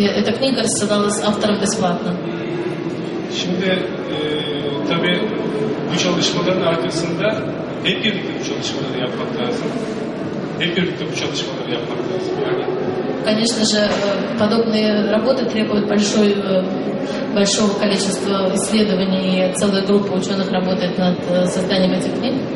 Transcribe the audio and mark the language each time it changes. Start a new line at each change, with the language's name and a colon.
Russian: И эта книга рассылалась авторам бесплатно.
Turkish: Şimdi tabii bu çalışmaların arkasında hep birlikte bu çalışmaları yapmak lazım. Hep birlikte bu çalışmaları yapmak lazım. Yani.
Russian: Конечно же, подобные работы требуют большого количества исследований, и целая группа ученых работает над созданием этих книг.